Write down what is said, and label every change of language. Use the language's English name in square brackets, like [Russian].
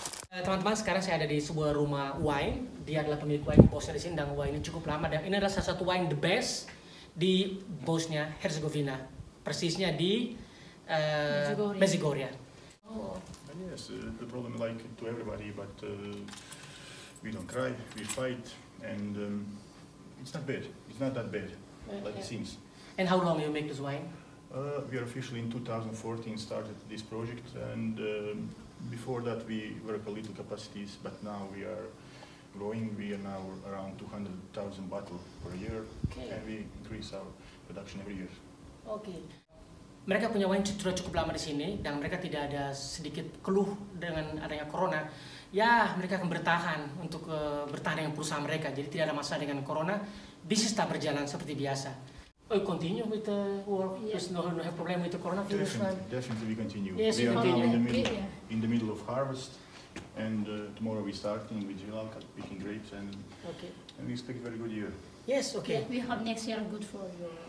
[Indonesian] Teman-teman, sekarang saya ada di sebuah rumah wine. Dia adalah pemilik wine, bosnya di sini, dan wine ini cukup lama. Dan ini adalah salah satu wine [English] the best [Indonesian] di Bosnia Herzegovina. Persisnya di Međugorje. [English] And yes, the problem like to everybody, but we don't cry, we fight, and it's not bad. It's not that bad, okay. Like it seems. And how long you make this wine? We are officially in 2014 started this project, and before that we work a little capacities, but now we are growing. We are now around 200,000 bottle per year, okay. And we increase our production every year. Okay. [Indonesian] Mereka punya wine sudah cukup lama di sini dan mereka tidak ada sedikit keluh dengan adanya corona. Ya, mereka akan bertahan untuk bertahan dengan perusahaan mereka. Jadi tidak ada masalah dengan corona. Bisnis tetap berjalan seperti biasa. [English] We continue with the work. Yes, no, no have problem with the corona. Definitely we continue. Yes, we are now in the middle of harvest and tomorrow we starting with Jelalka picking grapes and okay. And we expect a very good year. Yes, okay. Yeah, we have next year good for you.